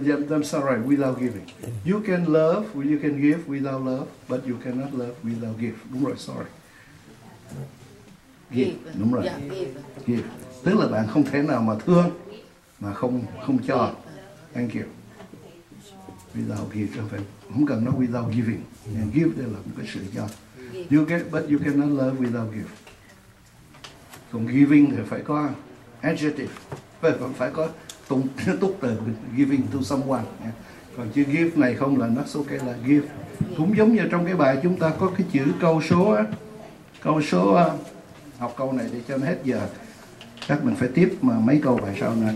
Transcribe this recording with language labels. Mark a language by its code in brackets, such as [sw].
[en] I'm sorry, without giving. You can love, you can give without love, but you cannot love without give. [vi] Đúng rồi, sorry. [en] Give, [vi] đúng rồi. [en] Yeah, give. Give. [vi] Tức là bạn không thể nào mà thương mà không cho. [en] Thank you. Without giving, [vi] không cần nói without giving. And give đây là một cái sự cho. [en] You can, but you cannot love without give. [vi] Còn giving thì phải có adjective. Phải có tụng túc từ giving to someone. Còn chữ give này không là nó okay là give. Cũng giống như trong cái bài chúng ta có cái chữ câu số á. Câu số học câu này để cho nó hết giờ. Chắc mình phải tiếp mà mấy câu bài sau nè.